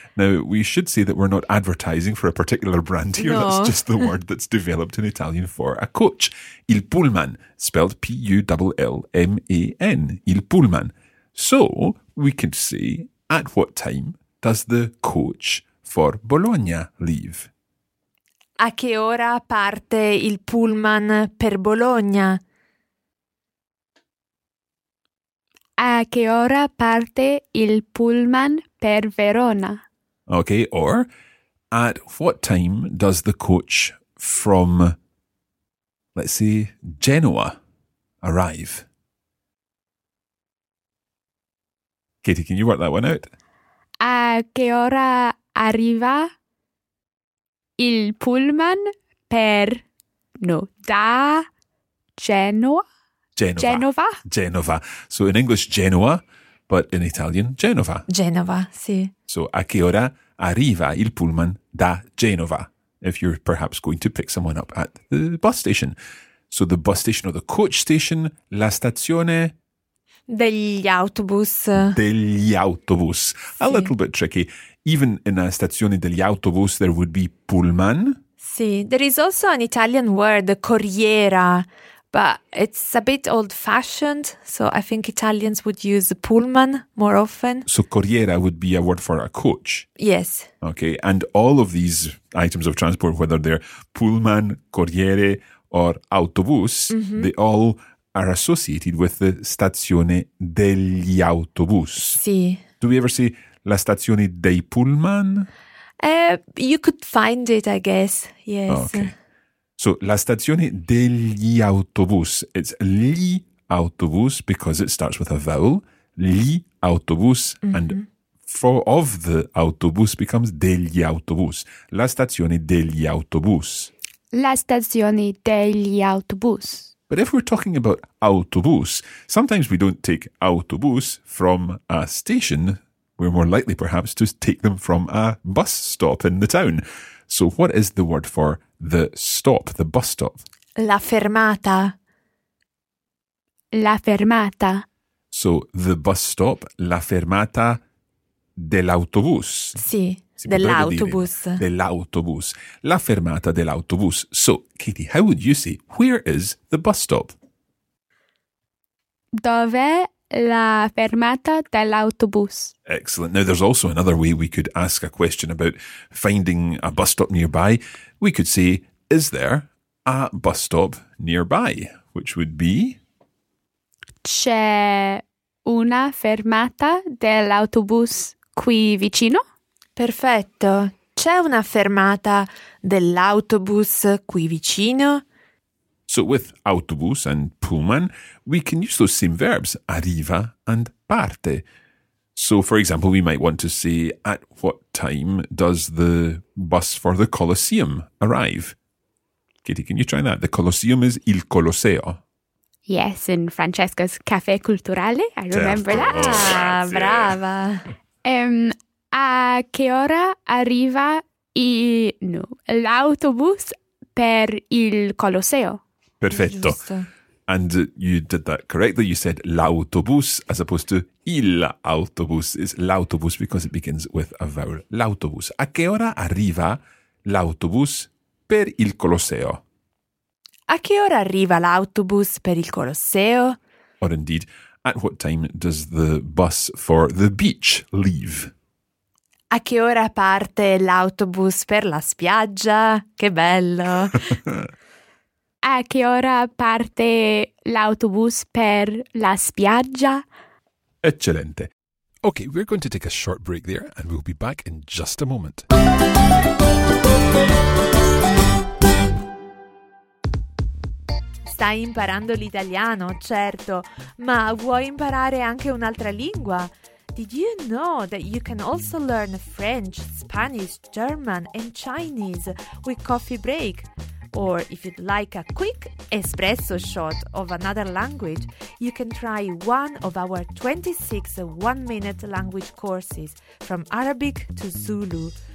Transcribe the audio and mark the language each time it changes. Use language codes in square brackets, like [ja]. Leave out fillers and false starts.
[en] Now, we should say that we're not advertising for a particular brand here. No. That's just the word that's developed in Italian for a coach. Il pullman, spelled P-U-L-L-M-A-N. Il pullman. So, we could say, at what time does the coach for Bologna leave? [it] A che ora parte il pullman per Bologna? A che ora parte il pullman per Verona? [en] Okay, or at what time does the coach from, let's say, Genoa arrive? Katie, can you work that one out? [it] A che ora arriva il pullman per, no, da Genoa? [en] Genova. So in English, Genoa, but in Italian, Genova. [it] Genova, sì. So a che ora arriva il pullman da Genova? [en] If you're perhaps going to pick someone up at the bus station. So the bus station or the coach station, la stazione... [it] Degli autobus. [en] Sì. A little bit tricky. Even in a stazione degli autobus, there would be pullman. Sì, there is also an Italian word, corriera. But it's a bit old-fashioned, so I think Italians would use pullman more often. So corriera would be a word for a coach? Yes. Okay, and all of these items of transport, whether they're pullman, corriere, or autobus, they all are associated with the stazione degli autobus. [it] Sì. [en] Do we ever say la stazione dei pullman? You could find it, I guess, yes. Okay. [it] So, la stazione degli autobus. [en] It's gli autobus because it starts with a vowel. Gli autobus. Mm-hmm. And for of the autobus becomes degli autobus. [it] La stazione degli autobus. La stazione degli autobus. [en] But if we're talking about autobus, sometimes we don't take autobus from a station. We're more likely, perhaps, to take them from a bus stop in the town. So, what is the word for the stop, the bus stop? [it] La fermata. La fermata. [en] So, the bus stop, la fermata dell'autobus. [it] Sì, dell'autobus. Dell'autobus. La fermata dell'autobus. [en] So, Katie, how would you say, where is the bus stop? [it] Dov'è la fermata dell'autobus? [en] Excellent. Now, there's also another way we could ask a question about finding a bus stop nearby. We could say, is there a bus stop nearby? Which would be? [it] C'è una fermata dell'autobus qui vicino? Perfetto. C'è una fermata dell'autobus qui vicino? [en] So with autobus and pullman, we can use those same verbs, arriva and parte. So, for example, we might want to say, at what time does the bus for the Colosseum arrive? Katie, can you try that? The Colosseum is il Colosseo. Yes, in Francesco's Café Culturale, I remember [it] certo. [en] That. Oh, [it] brava! A che ora arriva l'autobus per il Colosseo? Perfetto. [en] And you did that correctly. You said l'autobus as opposed to il autobus. It's l'autobus because it begins with a vowel. [it] L'autobus. A che ora arriva l'autobus per il Colosseo? A che ora arriva l'autobus per il Colosseo? [en] Or indeed, at what time does the bus for the beach leave? [it] A che ora parte l'autobus per la spiaggia? Che bello! A che ora parte l'autobus per la spiaggia? Eccellente. [en] Okay, we're going to take a short break there and we'll be back in just a moment. [it] Sì. Stai imparando l'italiano, certo, ma vuoi imparare anche un'altra lingua? [en] Did you know that you can also learn French, Spanish, German and Chinese with Coffee Break? Or if you'd like a quick espresso shot of another language, you can try one of our 26 one-minute language courses from Arabic to Zulu.